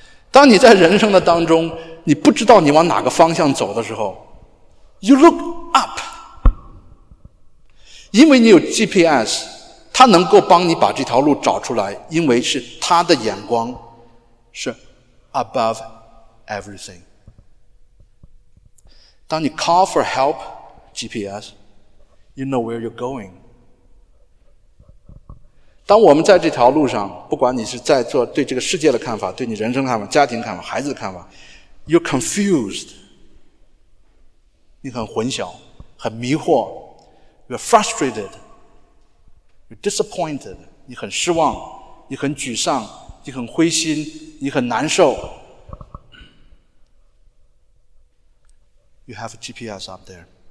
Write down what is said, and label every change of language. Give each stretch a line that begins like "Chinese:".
Chinese: 当你在人生的当中，你不知道你往哪个方向走的时候，
English: You look up.
Chinese: 因为你有 GPS, 它能够帮你把这条路找出来，因为是它的眼光是
English: above everything。
Chinese: 当你
English: call for help GPS, you know where you're going。
Chinese: 当我们在这条路上，不管你是在做对这个世界的看法，对你人生看法，家庭看法，孩子的看法，
English: You're confused,
Chinese: 你很混淆，很迷惑，
English: You're frustrated, You're disappointed,
Chinese: 你很失望，你很沮丧，你很灰心，你很难受，
English: You have a GPS up there.